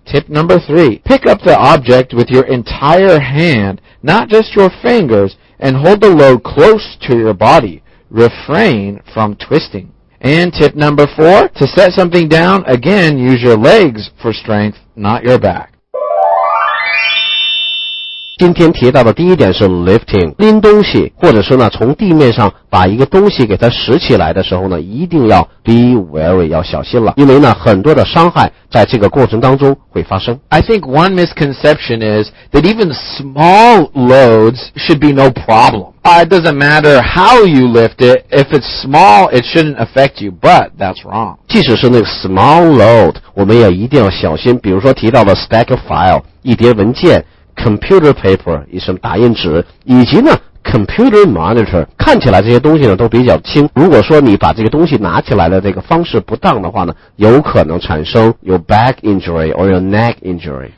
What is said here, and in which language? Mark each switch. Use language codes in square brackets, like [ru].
[en] Tip number three, pick up the object with your entire hand, not just your fingers, and hold the load close to your body. Refrain from twisting. And tip number four, to set something down, again, use your legs for strength, not your back. [zh] 今天提到的第一点是 lifting， 拎东西或者说呢从地面上把一个东西给它拾起来的时候呢一定要 [en] be wary， [zh] 要小心了，因为呢很多的伤害在这个过程当中会发生。 [en] I think one misconception is that even small loads should be no problem. It doesn't matter how you lift it, if it's small it shouldn't affect you, but that's wrong. [zh] 即使是那个 small load 我们也一定要小心，比如说提到了 stack of file 一叠文件，computer paper 以什么打印纸，以及呢 computer monitor， 看起来这些东西呢都比较轻，如果说你把这个东西拿起来的这个方式不当的话呢，有可能产生 [en] your back injury or your neck injury.